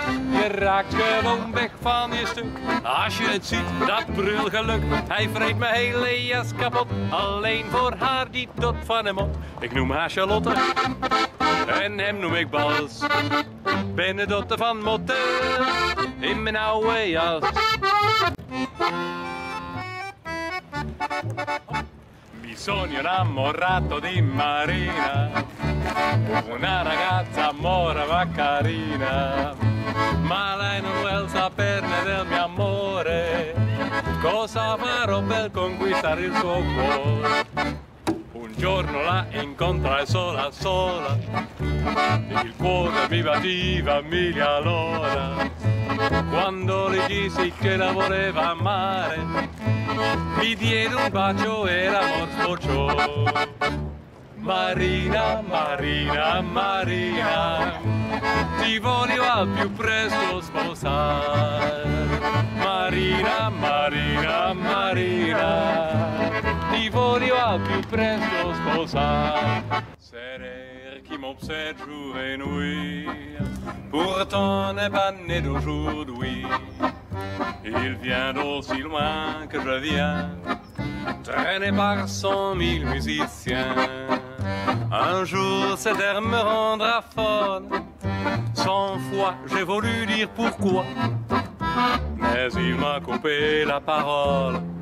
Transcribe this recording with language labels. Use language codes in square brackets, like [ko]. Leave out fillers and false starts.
[nl] Je raakt gewoon weg van je stuk. Als je het ziet, dat brulgeluk. Hij vreet mijn hele jas kapot. Alleen voor haar die dot van hem op. Ik noem haar Charlotte en hem noem ik Bas. Benedotte van Motten in mijn oude jas. [it] Mi sono innamorato di Marina, una ragazza mora ma carina, ma lei non vuol saperne del mio amore, cosa farò per conquistare il suo cuore? Un giorno la incontrai sola sola, il cuore mi battiva mille all'ora. Quando le dissi che la voleva amare, mi diede un bacio e l'amor sbocciò. Marina, Marina, Marina, ti voglio al più presto sposare. Marina, Marina, Marina, ti voglio al più presto sposare. [fr] Qui m'obsède jour et nuit, pourtant n'est pas né d'aujourd'hui. Il vient d'aussi loin que je viens, traîné par 100 000 musiciens. Un jour cet air me rendra folle, 100 fois j'ai voulu dire pourquoi, mais il m'a coupé la parole.